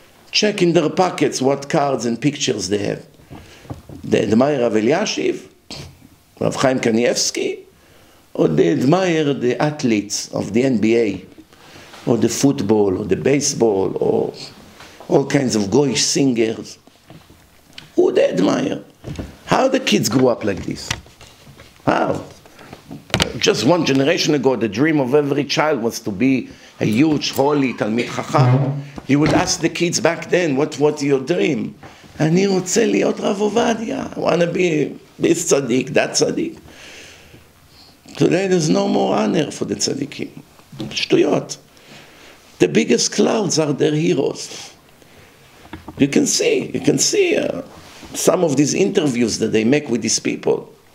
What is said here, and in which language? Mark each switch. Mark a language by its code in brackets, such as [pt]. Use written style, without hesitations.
[en] Check in their pockets what cards and pictures they have. They admire Rav Eliashiv, Rav Chaim Kanievsky, or they admire the athletes of the NBA, or the football, or the baseball, or all kinds of goyish singers. Who they admire? How the kids grew up like this? How? Just one generation ago, the dream of every child was to be a huge, holy Talmid Chacham. You would ask the kids back then, what's your dream? [he] אני רוצה להיות רב עובדיה. [en] I want to be this tzaddik, that tzaddik. Today there's no more honor for the tzaddikim. [he] שטויות. [en] The biggest clouds are their heroes. You can see some of these interviews that they make with these people.